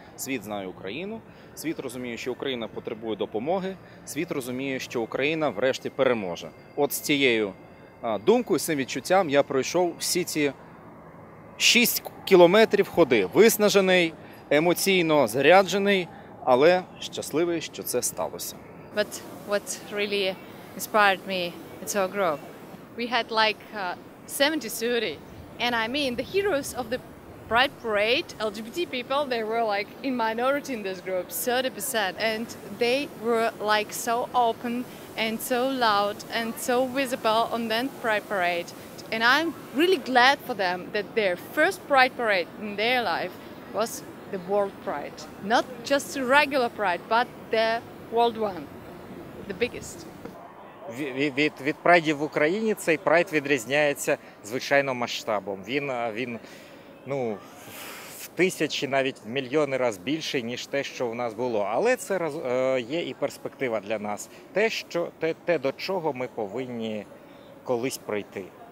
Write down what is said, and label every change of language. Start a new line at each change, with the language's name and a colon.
Ukrainian: Світ знає Україну. Світ розуміє, що Україна потребує допомоги. Світ розуміє, що Україна врешті переможе. От з цією думкою, з цим відчуттям я пройшов всі ці 6 кілометрів ходи. Виснажений, емоційно заряджений, але щасливий, що це сталося.
English: But what really inspired me is our group. We had like 70 students, and I mean the heroes of the Pride parade, LGBT people, they were like in minority in this group, 30%, and they were like so open and so loud and so visible on that Pride parade. And I'm really glad for them that their first Pride parade in their life was the World Pride. Not just a regular Pride, but the world one, the biggest.
Ukrainian: Від прайдів в Україні цей прайд відрізняється звичайно масштабом. Він ну, в тисячі, навіть в мільйони раз більший, ніж те, що в нас було. Але це є і перспектива для нас. Те, до чого ми повинні колись прийти.